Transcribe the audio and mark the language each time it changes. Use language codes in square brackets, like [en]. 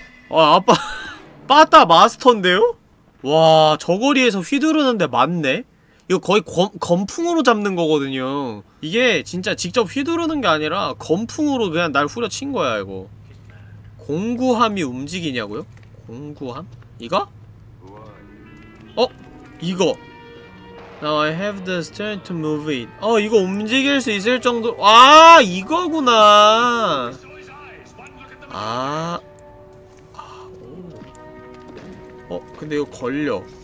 [ko] 아, 아빠 빠따 마스터인데요? 와, 저거리에서 휘두르는데 맞네? 이거 거의 건풍으로 잡는 거거든요. 이게 진짜 직접 휘두르는 게 아니라 건풍으로 그냥 날 후려친 거야, 이거. 공구함이 움직이냐고요? 공구함? 이거? 어? 이거. [en] Now I have the strength to move it. [ko] 어, 이거 움직일 수 있을 정도. 아, 이거구나. 아. 어, 근데 이거 걸려.